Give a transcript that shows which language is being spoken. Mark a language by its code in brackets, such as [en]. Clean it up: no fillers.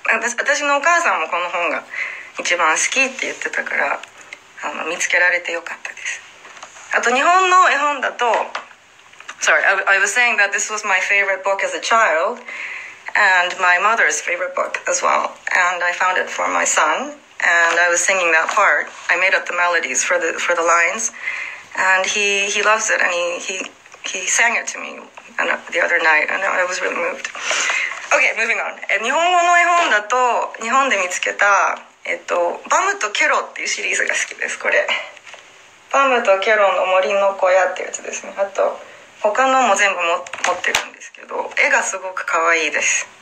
[ja] 私のお母さんもこの本が一番好きって言ってたから、あの見つけられてよかったです。あと日本の絵本だと、 [en] Sorry, I was saying that this was my favorite book as a childAnd my mother's favorite book as well. And I found it for my son. And I was singing that part. I made up the melodies for the lines. And he loves it. And he sang it to me the other night. And I was really moved. Okay, moving on. [ja] 日本語の絵本だと、日本で見つけた、バムとケロっていうシリーズが好きです。これ。バムとケロの森の小屋ってやつですね。あと、他のも全部持ってるんですけど、絵がすごく可愛いです。